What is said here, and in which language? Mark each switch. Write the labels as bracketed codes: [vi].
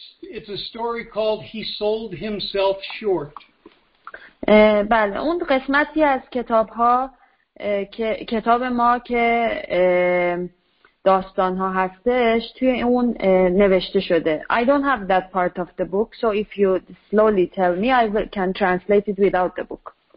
[en] It's a story called He Sold Himself Short. [fa] بله، اون قسمتی از کتاب‌ها که کتاب ما که داستان‌ها هستش توی اون نوشته شده. [en] I don't have that part of the book, so if you slowly tell me, I can translate it without the book.